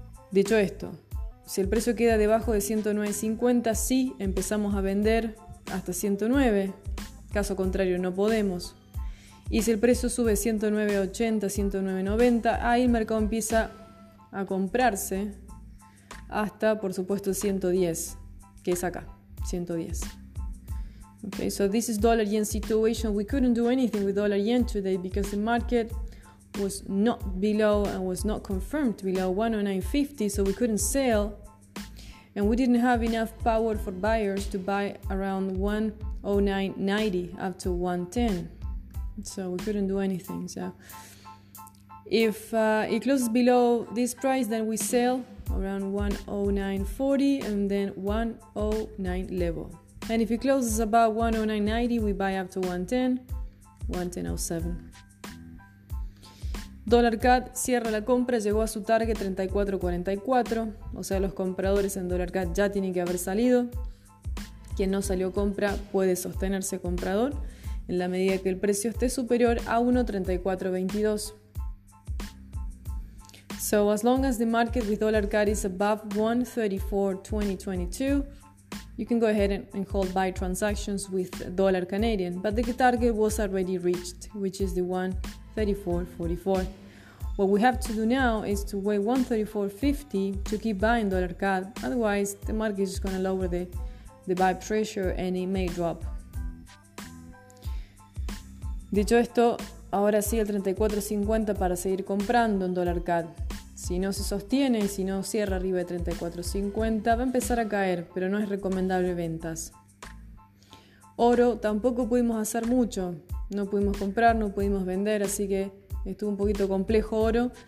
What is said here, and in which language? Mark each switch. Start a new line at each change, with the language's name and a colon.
Spanish: Dicho esto, si el precio queda debajo de 109.50, sí, empezamos a vender hasta 109. Caso contrario, no podemos. Y si el precio sube 109.80, 109.90, ahí el mercado empieza a comprarse hasta, por supuesto, 110, que es acá, 110.
English: Okay, so this is dollar yen situation. We couldn't do anything with dollar yen today because the market was not below and was not confirmed below 109.50, so we couldn't sell. And we didn't have enough power for buyers to buy around 109.90 up to 110. So we couldn't do anything. So if it closes below this price, then we sell around 109.40 and then 109 level. And if it closes above 109.90, we buy up to 110, 110.07.
Spanish: Dollar CAD cierra la compra, llegó a su target 34.44, o sea, los compradores en Dollar CAD ya tienen que haber salido. Quien no salió compra puede sostenerse comprador en la medida que el precio esté superior a 1.3422.
English: So as long as the market with dollar CAD is above 1.34.2022, you can go ahead and hold buy transactions with dollar Canadian, but the target was already reached, which is the 1.3444. What we have to do now is to wait 1.3450 to keep buying dollar CAD, otherwise the market is just going to lower the buy pressure and it may drop.
Spanish: Dicho esto, ahora sí el 34.50 para seguir comprando en dólar CAD. Si no se sostiene, si no cierra arriba de 34.50, va a empezar a caer, pero no es recomendable ventas. Oro, tampoco pudimos hacer mucho. No pudimos comprar, no pudimos vender, así que estuvo un poquito complejo oro.